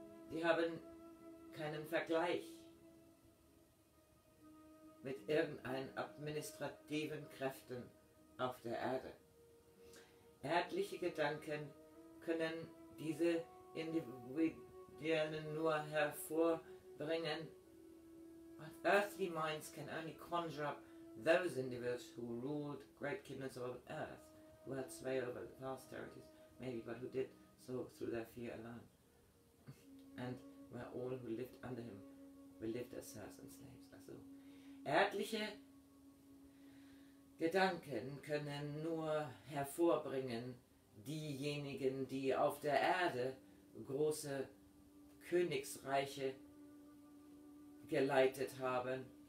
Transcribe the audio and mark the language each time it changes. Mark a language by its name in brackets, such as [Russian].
[German] Sie haben keinen Vergleich mit irgendeinen administrativen Kräften auf der Erde. Erdliche Gedanken können diese Individuen nur hervorbringen. [English] But earthly minds can only conjure up those individuals who ruled great kingdoms of earth. who had sway over the past territories, maybe, but who did so through their fear alone. And where all who lived under him will live as serfs and slaves. [German] Also, erdliche Gedanken können nur hervorbringen diejenigen, die auf der Erde große Königsreiche geleitet haben.